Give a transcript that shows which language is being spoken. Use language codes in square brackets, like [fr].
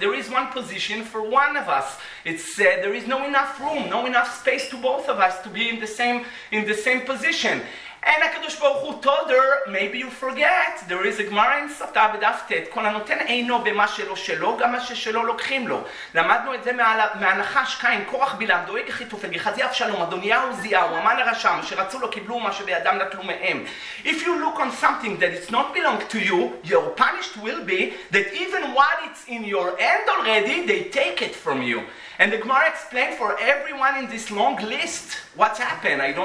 [en] There is one position for one of us. It's there is no enough room, no enough space to both of us to be in the same position. And HaKadosh Baruch Hu told her, maybe you forget, there is a Gemara in Sotah Bedaf Tet, [he] כל הנותן אינו במה שלו שלו, גם מה ששלו לוקחים לו. למדנו את זה מהנחש קין, קורח בלעם, דואג החיתופל, גחזי אבשלום, אדוניהו זיהו, המן הרשע, שרצו לו קיבלו מה שבידם נטלו מהם. [en] If you look on something that it's not belong to you, your punished will be that even while it's in your hand already, they take it from you. And the Gemara explained for everyone in this long list what's happened.